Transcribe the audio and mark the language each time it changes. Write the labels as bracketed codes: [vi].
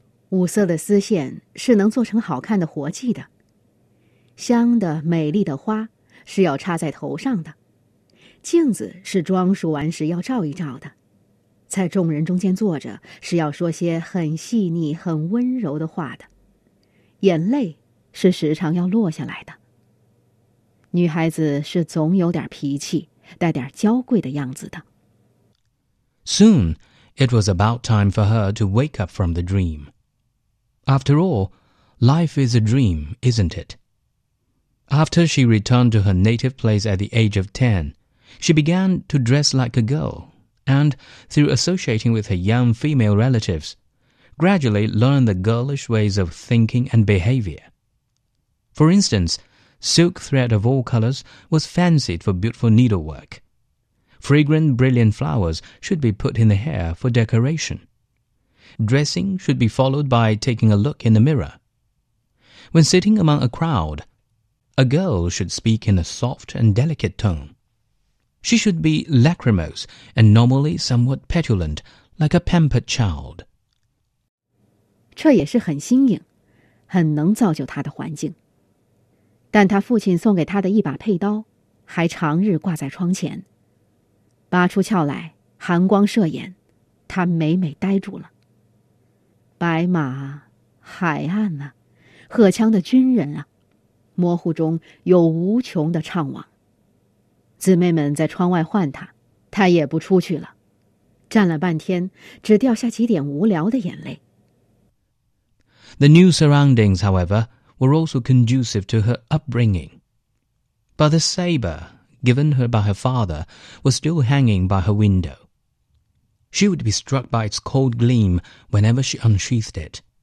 [zh] 五色的丝线是能做成好看的活计的，香的美丽的花是要插在头上的，镜子是装束完时要照一照的，在众人中间坐着是要说些很细腻很温柔的话的，眼泪是时常要落下来的。女孩子是总有点脾气，带点娇贵的样子的。 [en] Soon, it was about time for her to wake up from the dream. After all, life is a dream, isn't it? After she returned to her native place at the age of 10, she began to dress like a girl. And, through associating with her young female relatives, gradually learned the girlish ways of thinking and behavior. For instance, silk thread of all colors was fancied for beautiful needlework. Fragrant, brilliant flowers should be put in the hair for decoration. Dressing should be followed by taking a look in the mirror. When sitting among a crowd, a girl should speak in a soft and delicate tone. She should be lachrymose and normally somewhat petulant, like a pampered child. [zh] 这也是很新颖，很能造就他的环境。但他父亲送给他的一把佩刀，还长日挂在窗前。拔出鞘来，寒光射眼，他每每呆住了。白马，海岸啊，荷枪的军人啊，模糊中有无穷的怅惘。姊妹们在窗外唤他，他也不出去了，站了半天，只掉下几点无聊的眼泪。 [en] The new surroundings, however, were also conducive to her upbringing. But the saber, given her by her father, was still hanging by her window. She would be struck by its cold gleam whenever she unsheathed it.